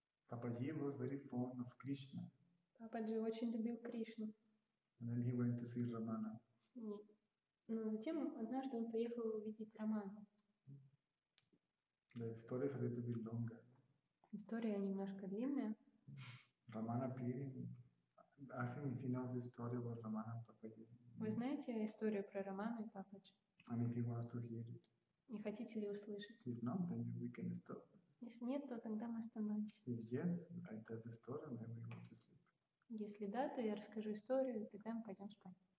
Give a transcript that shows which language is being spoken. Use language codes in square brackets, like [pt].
[en] Papaji was very fond of Krishna. [ru] Papaji очень любил Кришну. [en] And then he went to see Ramana. [ru] Но затем однажды он поехал увидеть Раману. [en] The story is a little bit longer. [ru] История немножко длинная. [en] Ramana appearing, asking if he knows the story about Ramana and Papaji. [ru] Вы знаете историю про Романа и Папача? [en] And if you want to hear it. [ru] Не хотите ли услышать? [en] If not, then we can stop. [ru] Если нет, то тогда мы остановимся. [en] If yes, I tell the story and then we go to sleep. [ru] Если да, то я расскажу историю, и тогда мы пойдем спать.